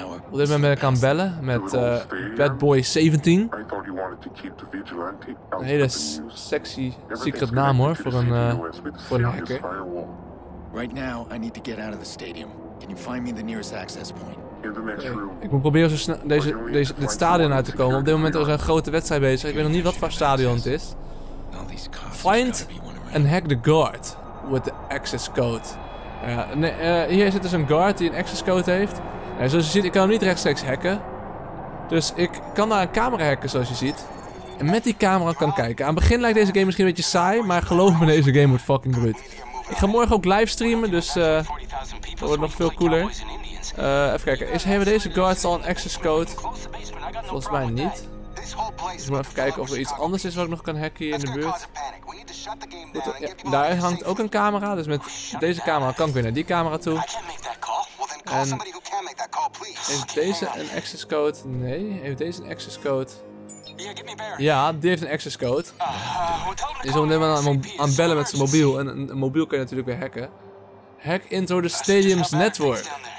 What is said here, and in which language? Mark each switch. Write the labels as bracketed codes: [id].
[nl] Op dit moment ben ik aan het bellen met Bad Boy 17. Een hele sexy secret naam hoor, voor een hacker. [en] Right now, I need to get out of the stadium. Can you find me the nearest access point? [nl] Ik moet proberen zo snel dit stadion uit te komen. Op dit moment is er een grote wedstrijd bezig. Ik weet nog niet wat voor stadion het is. [en] Find and hack the guard with the access code. [nl] Hier zit dus een guard die een access code heeft. Zoals je ziet, ik kan hem niet rechtstreeks hacken. Dus ik kan daar een camera hacken, zoals je ziet. En met die camera kan kijken. Aan het begin lijkt deze game misschien een beetje saai, maar geloof me, deze game wordt fucking bruut. Ik ga morgen ook live streamen, dus dat wordt nog veel cooler. Even kijken, hebben deze guards al een access code? Volgens mij niet. Dus maar even kijken of er iets anders is wat ik nog kan hacken hier in de buurt. Goed, ja, daar hangt ook een camera, dus met deze camera kan ik weer naar die camera toe. En heeft deze een access code? Nee, heeft deze een access code? Ja, die heeft een access code. Die is op dit moment aan bellen met zijn mobiel. En een mobiel kun je natuurlijk weer hacken. [en] Hack into the stadium's network.